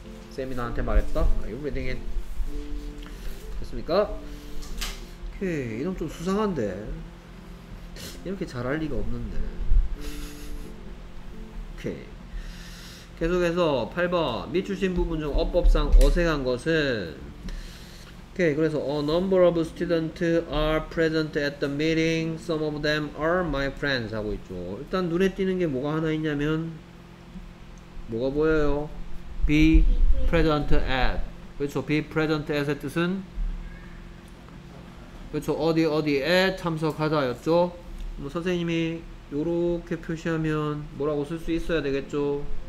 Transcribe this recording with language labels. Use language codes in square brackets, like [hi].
[ko] Sam이 나한테 말했다. [en] Are you reading it? [ko] 됐습니까? 오케이 이놈 좀 수상한데 이렇게 잘할 리가 없는데. 오케이. 계속해서 8번 미출신 부분 중 어법상 어색한 것은 오케이. 그래서 [en] A number of students are present at the meeting. Some of them are my friends [ko] 하고 있죠. 일단 눈에 띄는 게 뭐가 하나 있냐면 뭐가 보여요? [en] Be present at. [ko] 그렇죠. [en] Be present at [ko] 의 뜻은 그렇죠. 어디 어디에 참석하다였죠. 뭐 선생님이 요렇게 표시하면 뭐라고 쓸 수 있어야 되겠죠?